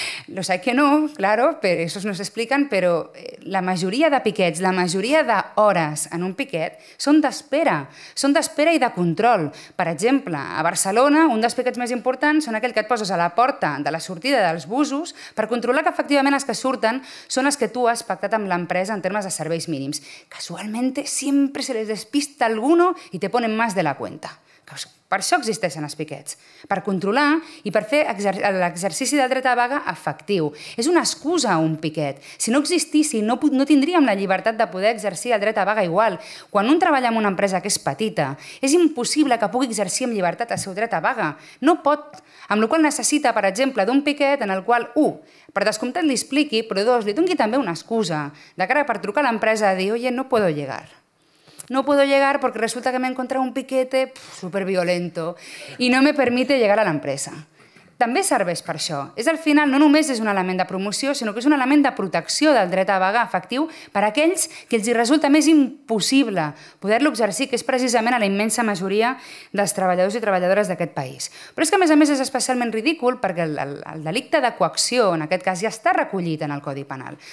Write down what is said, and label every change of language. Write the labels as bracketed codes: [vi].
[es] Lo sé que no, claro, [ca] però això no s'expliquen, però la majoria de piquets, la majoria d'hores en un piquet són d'espera. Són d'espera i de control. Per exemple, a Barcelona, un dels piquets més importants són aquell que et poses a la porta de la sortida dels busos per controlar que efectivament els que surten són els que tu has pactat amb l'empresa en termes de serveis mínims. Casualment, [es] sempre se les despista alguno i te ponen más de la cuenta. [ca] Per això existeixen els piquets, per controlar i per fer l'exercici del dret a vaga efectiu. És una excusa un piquet. Si no existís, no tindríem la llibertat de poder exercir el dret a vaga igual. Quan un treballa en una empresa que és petita, és impossible que pugui exercir amb llibertat el seu dret a vaga. No pot. Amb la qual necessita, per exemple, d'un piquet en el qual, per descomptat li expliqui, però dos, li doni també una excusa de cara per trucar a l'empresa a dir, [es] oye, no puedo llegar. No puedo llegar porque resulta que me he encontrado un piquete súper violento y no me permite llegar a la empresa. [ca] També serveix per això. És, al final, no només és un element de promoció, sinó que és un element de protecció del dret a vaga efectiu per a aquells que els resulta més impossible poder-lo exercir, que és precisament a la immensa majoria dels treballadors i treballadores d'aquest país. Però és que, a més, és especialment ridícul perquè el delicte de coacció, en aquest cas, ja està recollit en el Codi Penal.